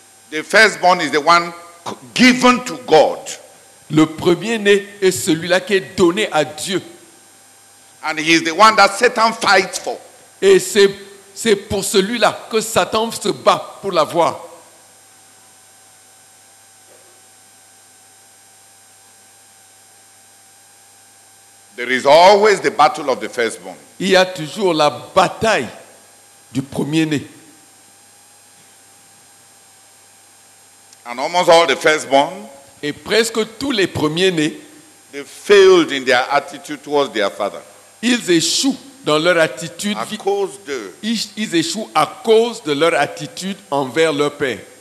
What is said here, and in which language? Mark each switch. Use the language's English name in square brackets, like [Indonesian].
[English] The firstborn is the one given to God. [French] Le premier né est celui-là qui est donné à Dieu. [English] And he is the one that Satan fights for. [French] Et c'est pour celui-là que Satan se bat pour l'avoir. [English] There is always the battle of the firstborn. [French] Il y a toujours la bataille du premier né. [English] And almost all the firstborn, [French] et presque tous les premiers nés, [English] they failed in their attitude towards their father. [French] Ils échouent dans leur attitude. Ils échouent à cause de leur attitude envers leur père.